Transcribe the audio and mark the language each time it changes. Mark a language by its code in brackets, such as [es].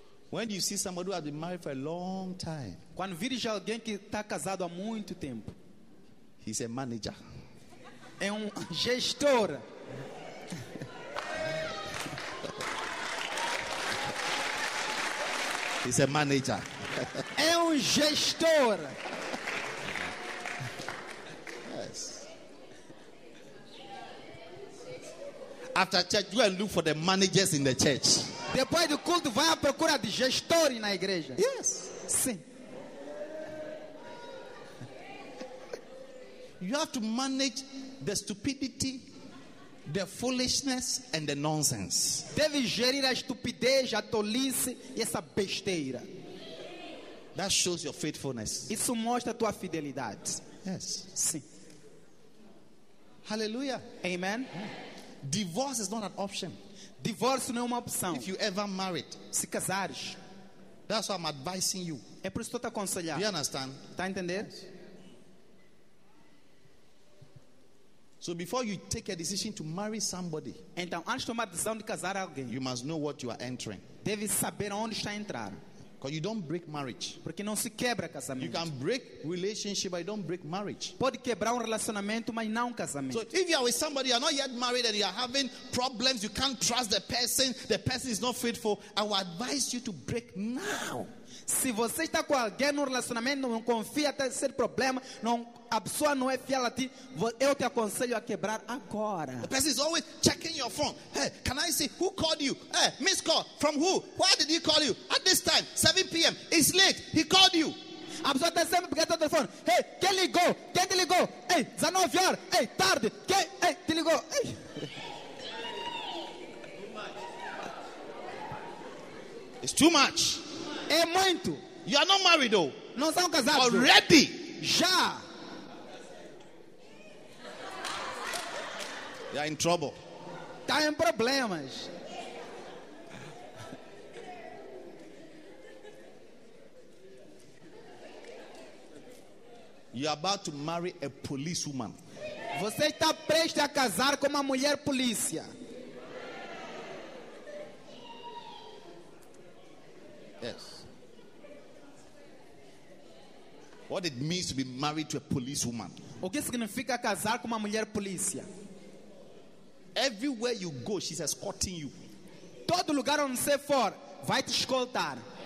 [en] When you see somebody who has been married for a long time, [pt] quando vires alguém que está casado há muito tempo, [en] he's a manager. [pt] É gestor. [en] He's a manager. [pt] É gestor. [en] Yes. After church, go and look for the managers in the church. [pt] Depois do culto, vai à procura de gestores na igreja. [en] Yes. [pt] Sim. [en] You have to manage the stupidity, the foolishness, and the nonsense. [pt] Deve gerir a estupidez, a tolice e essa besteira. [en] That shows your faithfulness. [pt] Isso mostra a tua fidelidade. [en] Yes. [pt] Sim. [en] Hallelujah. Amen. Divorce is not an option. [pt] Divórcio não é uma opção. [en] If you ever married, [pt] se casares, [en] that's why I'm advising you. [pt] É por isso que estou a aconselhar. [en] You understand? [pt] Tá a entender? [en] Yes. So before you take a decision to marry somebody, [pt] então antes de tomar a decisão de casar alguém, [en] you must know what you are entering. [pt] Deve saber onde está a entrar. [en] Because you don't break marriage. [pt] Porque não se quebra casamento. [en] You can break relationship, but you don't break marriage. [pt] Pode quebrar relacionamento, mas não casamento. [en] So if you are with somebody, you are not yet married, and you are having problems, you can't trust the person is not faithful, I will advise you to break now. [pt] Se você está com alguém no relacionamento, não confia até ser problema, não, a pessoa não é fiel a ti, eu te aconselho a quebrar agora. [en] The person is always checking your phone. Hey, can I see who called you? Hey, miss call. From who? Why did he call you? At this time, 7 p.m. It's late. He called you. [pt] A pessoa está sempre pegando o telefone. Hey, quem ligou? Quem te ligou? Hey, 19 horas. Hey, tarde. Quem? Hey, te ligou? Hey. [en] It's too much. [pt] É muito. [en] You are not married though. [pt] Não são casados. [en] Already. [pt] Já. [en] You are in trouble. [pt] Tá em problemas. [en] You are about to marry a police woman. [pt] Você está prestes a casar com uma mulher polícia. [en] Yes. What it means to be married to a police woman? [pt] O que significa casar com uma mulher polícia? [en] Everywhere you go, she's escorting you. [pt] Todo lugar onde você for, vai te escoltar.